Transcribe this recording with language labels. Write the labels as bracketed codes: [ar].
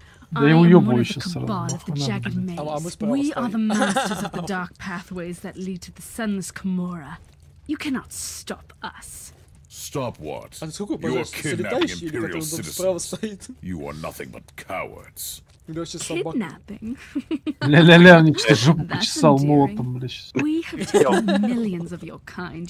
[ru] Да его ебаю сейчас сразу. [en] We are the masters of the dark pathways that lead to the sunless Kimura. You cannot stop us. Stop what? You are kidnapping Imperial citizens. You are nothing but cowards. Kidnapping? [ru] Ля-ля-ля, он что-то жопу почесал молотом, бля, сейчас. [en] We have taken millions of your kind,